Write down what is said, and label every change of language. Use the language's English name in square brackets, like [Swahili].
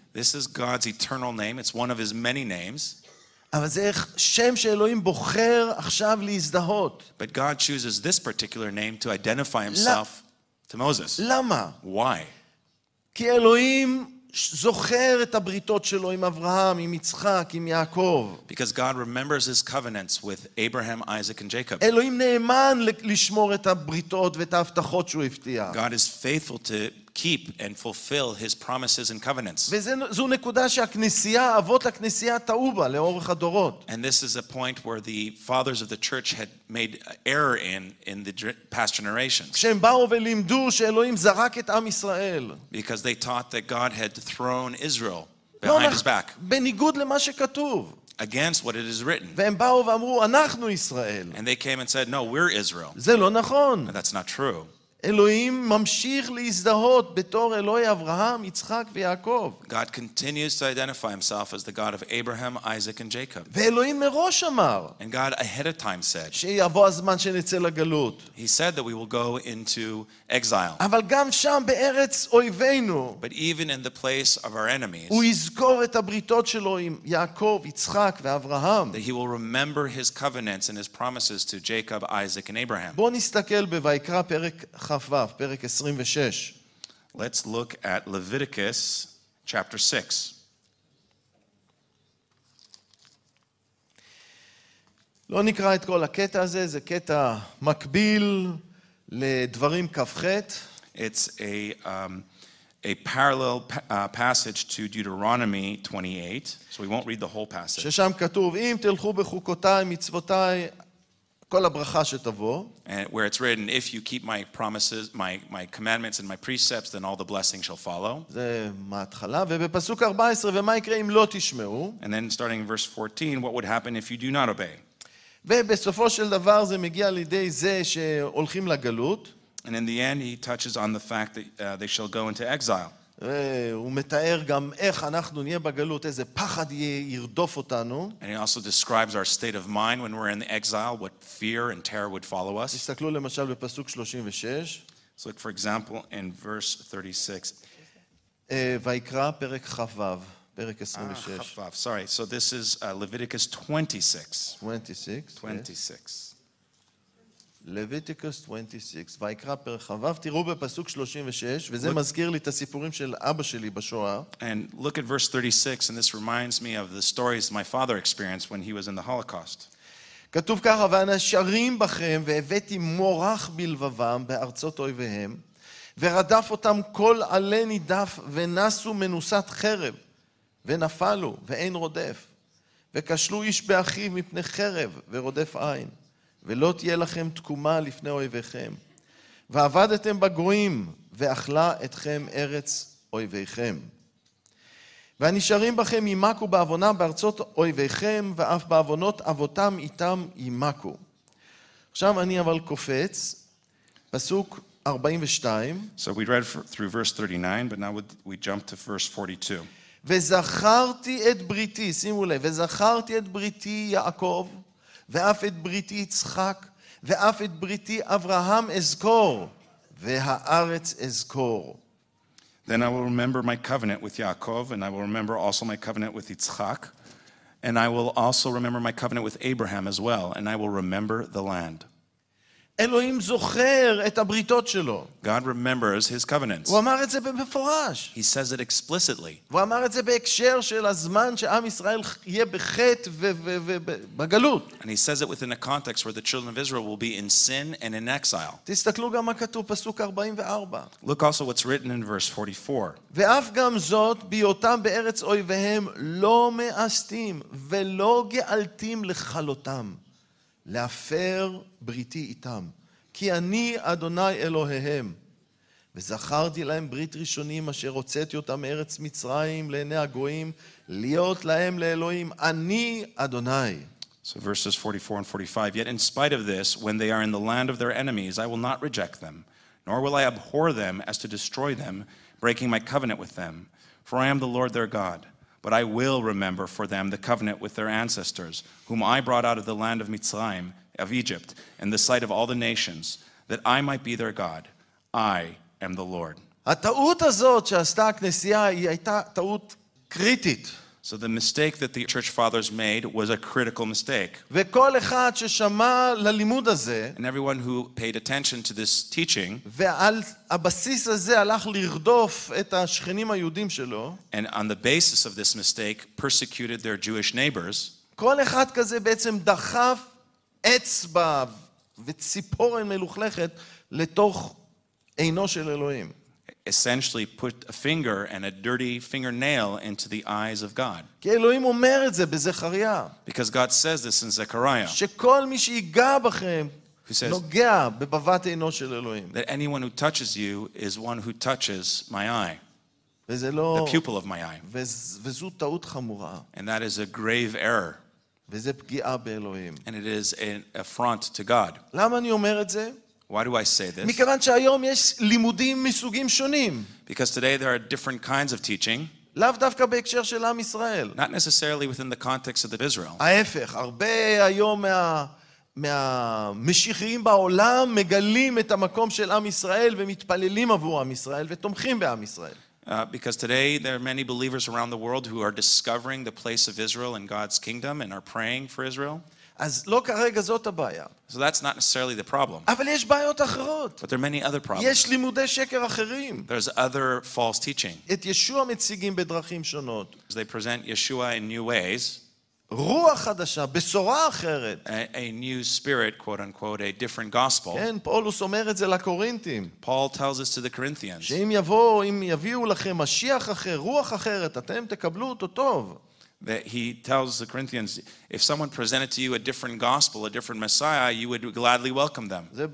[English] This is God's eternal name, it's one of his many names. [Hebrew] אבל זה שם שאלוהים בוחר עכשיו להזדהות. [English] But God chooses this particular name to identify himself to Moses. [Hebrew] למה? [English] Why? [Hebrew] כי אלוהים זוכר את הבריתות שלו עם אברהם, עם יצחק, עם יעקב. [English] Because God remembers his covenants with Abraham, Isaac and Jacob. [Hebrew] אלוהים נאמן לשמור את הבריתות ואת ההבטחות שהוא הבטיח. [English] God is faithful to keep and fulfill his promises and covenants. [Hebrew] וזו נקודה שהכנסייה, אבות הכנסייה טעו בה לאורך הדורות. [English] And this is a point where the fathers of the church had made error in the past generations. [Hebrew] כשהם באו ולימדו שאלוהים זרק את עם ישראל. [English] Because they taught that God had thrown Israel behind his back. [Hebrew] בניגוד למה שכתוב. [English] Against what it is written. [Hebrew] והם באו ואמרו אנחנו ישראל. [English] And they came and said, no, we're Israel. [Hebrew] זה לא נכון. [English] And that's not true. [Hebrew] אלוהים ממשיך להזדהות בתור אלוהי אברהם, יצחק ויעקב. [English] God continues to identify himself as the God of Abraham, Isaac and Jacob. [Hebrew] ואלוהים מראש אמר. [English] And God ahead of time said. [Hebrew] שיבוא הזמן שנצא לגלות. [English] He said that we will go into exile. [Hebrew] אבל גם שם בארץ אויבינו. [English] But even in the place of our enemies. [Hebrew] הוא יזכור את הבריתות שלו עם יעקב, יצחק ואברהם. [English] That he will remember his covenants and his promises to Jacob, Isaac and Abraham. [Hebrew] בוא נסתכל בויקרא פרק חפב, פרק 26. [English] Let's look at Leviticus chapter 6. [Hebrew] לא נקרא את כל הקטע הזה, זה קטע מקביל לדברים כ"ח. [English] It's a parallel passage to Deuteronomy 28, so we won't read the whole passage. [Hebrew] ששם כתוב, אם תלכו בחוקותיי, מצוותיי, כל הברכה שתבוא. [English] And where it's written, if you keep my promises, my commandments and my precepts, then all the blessings shall follow. [Hebrew] זה מההתחלה. ובפסוק 14, ומה יקרה אם לא תשמעו? [English] And then starting in verse 14, what would happen if you do not obey? [Hebrew] ובסופו של דבר זה מגיע לידי זה שהולכים לגלות. [English] And in the end, he touches on the fact that they shall go into exile. [Hebrew] והוא מתאר גם איך אנחנו נהיה בגלות, איזה פחד ירדוף אותנו. [English] And he also describes our state of mind when we're in the exile, what fear and terror would follow us. [Hebrew] תסתכלו למשל בפסוק 36. [English] So look for example in verse 36. [Hebrew] ויקרא פרק חבב, פרק 26. [English] חבב, sorry. So this is Leviticus 26. 26. 26. [Hebrew] ויקרא פרק חבב, תראו בפסוק 36, וזה מזכיר לי את הסיפורים של אבא שלי בשואה. [English] And look at verse 36, and this reminds me of the stories my father experienced when he was in the Holocaust. [Hebrew] כתוב ככה, ואנשרים בכם, והבאתי מורח בלבבם בארצות אויביהם, ורדף אותם כל עלי נידף, ונסו מנוסת חרב, ונפלו, ואין רודף, וקשלו איש באחיו מפני חרב, ורודף עין. ולא תהיה לכם תקומה לפני אויביכם. ועבדתם בגויים, ואכלה אתכם ארץ אויביכם. והנשארים בכם ימקו בעוונה בארצות אויביכם, ואף בעוונות אבותם איתם ימקו. עכשיו אני אבל קופץ, פסוק 42. [English] So we read through verse 39, but now we jump to verse 42. [Hebrew] וזכרתי את בריתי, שימו לב, וזכרתי את בריתי יעקב, ואף את בריתי יצחק, ואף את בריתי אברהם אזכור, והארץ אזכור. [English] Then I will remember my covenant with Yaakov, and I will remember also my covenant with Yitzchak, and I will also remember my covenant with Abraham as well, and I will remember the land. [Hebrew] אלוהים זוכר את הבריתות שלו. [English] God remembers his covenants. [Hebrew] הוא אמר את זה במפורש. [English] He says it explicitly. [Hebrew] הוא אמר את זה בהקשר של הזמן שעם ישראל יהיה בחטא ובגלות. [English] And he says it within a context where the children of Israel will be in sin and in exile. [Hebrew] תסתכלו גם מה כתוב פסוק 44. [English] Look also what's written in verse 44. [Hebrew] ואף גם זאת ביותם בארץ אויביהם לא מאסתים ולא געלתים לכלותם. להפר בריתי איתם, כי אני אדוני אלוהיהם, וזכרתי להם ברית ראשונים אשר הוצאתי אותם מארץ מצרים לעיני הגויים, להיות להם לאלוהים, אני אדוני. [English] So verses 44 and 45, yet in spite of this, when they are in the land of their enemies, I will not reject them, nor will I abhor them as to destroy them, breaking my covenant with them, for I am the Lord their God. But I will remember for them the covenant with their ancestors, whom I brought out of the land of Mitzrayim, of Egypt, in the sight of all the nations, that I might be their God. I am the Lord. [Hebrew] הטעות הזאת שעשתה הכנסייה היא הייתה טעות קריטית. [English] So the mistake that the church fathers made was a critical mistake. [Hebrew] וכל אחד ששמע ללימוד הזה, [English] and everyone who paid attention to this teaching, [Hebrew] ועל הבסיס הזה הלך לרדוף את השכנים היהודים שלו, [English] and on the basis of this mistake persecuted their Jewish neighbors, [Hebrew] כל אחד כזה בעצם דחף אצבע וציפורן מלוכלכת לתוך עינו של אלוהים. [English] Essentially put a finger and a dirty fingernail into the eyes of God. [Hebrew] כי אלוהים אומר את זה בזכריה. [English] Because God says this in Zechariah. [Hebrew] שכל מי שיגע בכם נוגע בבבת עינו של אלוהים. [English] That anyone who touches you is one who touches my eye. [Hebrew] וזה לא, [English] the pupil of my eye. [Hebrew] וזו טעות חמורה. [English] And that is a grave error. [Hebrew] וזה פגיעה באלוהים. [English] And it is an affront to God. [Hebrew] למה אני אומר את זה? [English] Why do I say this? [Hebrew] מכיוון שהיום יש לימודים מסוגים שונים. [English] Because today there are different kinds of teaching. [Hebrew] לאו דווקא בהקשר של עם ישראל. [English] Not necessarily within the context of the Israel. [Hebrew] ההפך, הרבה היום מהמשיחיים בעולם מגלים את המקום של עם ישראל ומתפללים עבור עם ישראל ותומכים בעם ישראל. [English] Because today there are many believers around the world who are discovering the place of Israel in God's kingdom and are praying for Israel. [Hebrew] אז לא כרגע זאת הבעיה. [English] So that's not necessarily the problem. [Hebrew] אבל יש בעיות אחרות. [English] But there are many other problems. [Hebrew] יש לימודי שקר אחרים. [English] There's other false teaching. [Hebrew] את ישוע מציגים בדרכים שונות. [English] So they present Yeshua in new ways. [Hebrew] רוח חדשה, בשורה אחרת. [English] A new spirit, quote unquote, a different gospel. [Hebrew] כן, פאולוס אומר את זה לקורינתים. [English] Paul tells us to the Corinthians. [Hebrew] שאם יבוא, אם יביאו לכם משיח אחר, רוח אחרת, אתם תקבלו אותו טוב. [English] That he tells the Corinthians, if someone presented to you a different gospel, a different Messiah, you would gladly welcome them.